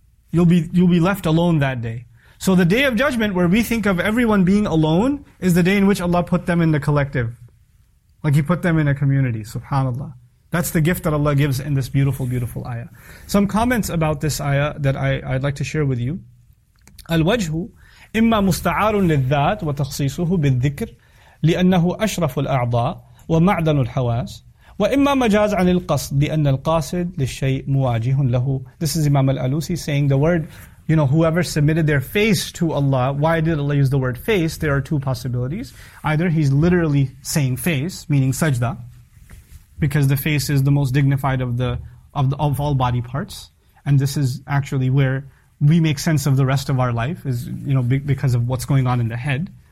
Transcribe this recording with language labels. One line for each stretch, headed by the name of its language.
English: You'll be left alone that day. So the day of judgment, where we think of everyone being alone, is the day in which Allah put them in the collective. Like He put them in a community, subhanAllah. That's the gift that Allah gives in this beautiful, beautiful ayah. Some comments about this ayah that I'd like to share with you.
Arabic: الوجه إما مستعار للذات وتخصيصه بالذكر لأنه أشرف الأعضاء ومعدن الحواس وإما مجاز عن القصد لأن القاصد للشيء مواجه له.
English: This is Imam Al-Alusi saying the word, you know, whoever submitted their face to Allah, why did Allah use the word face? There are two possibilities. Either he's literally saying face, meaning sajda, because the face is the most dignified of all body parts, and this is actually where we make sense of the rest of our life, is, you know, because of what's going on in the head.